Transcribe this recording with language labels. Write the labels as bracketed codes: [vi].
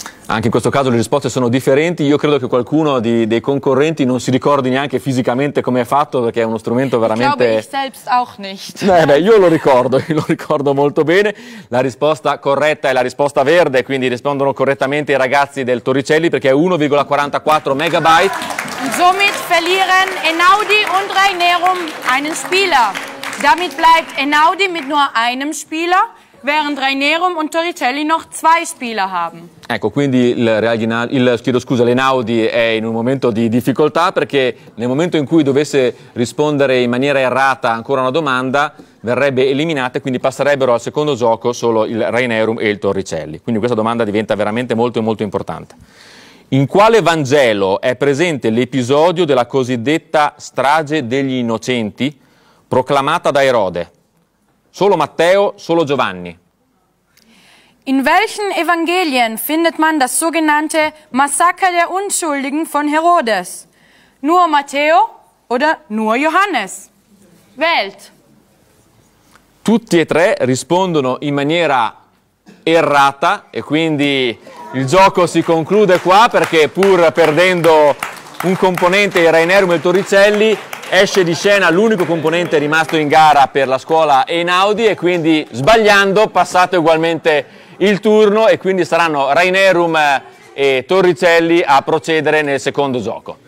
[it] Anche in questo caso le risposte sono differenti. Io credo che qualcuno dei concorrenti non si ricordi neanche fisicamente come è fatto, perché è uno strumento veramente... [de] Ich selbst auch nicht. [it] Io lo ricordo molto bene. La risposta corretta è la risposta verde, quindi rispondono correttamente i ragazzi del Torricelli, perché è 1,44 megabyte. [de] Und somit verlieren Einaudi und Rainerum einen Spieler. Damit bleibt Einaudi mit nur einem Spieler, während Rainerum und Torricelli noch zwei Spieler haben. [it] Ecco, quindi l'Einaudi è in un momento di difficoltà, perché nel momento in cui dovesse rispondere in maniera errata ancora una domanda, verrebbe eliminata e quindi passerebbero al secondo gioco solo il Rainerum e il Torricelli. Quindi questa domanda diventa veramente molto molto importante. In quale Vangelo è presente l'episodio della cosiddetta strage degli innocenti proclamata da Erode? Solo Matteo, solo Giovanni. [de] In welchen Evangelien findet man das sogenannte Massaker der Unschuldigen von Herodes? Nur Matteo oder nur Johannes? Welt. [it] Tutti e tre rispondono in maniera errata e quindi il gioco si conclude qua, perché pur perdendo un componente, il Rainerum e il Torricelli, esce di scena l'unico componente rimasto in gara per la scuola Einaudi, e quindi sbagliando passate ugualmente il turno e quindi saranno Rainerum e Torricelli a procedere nel secondo gioco.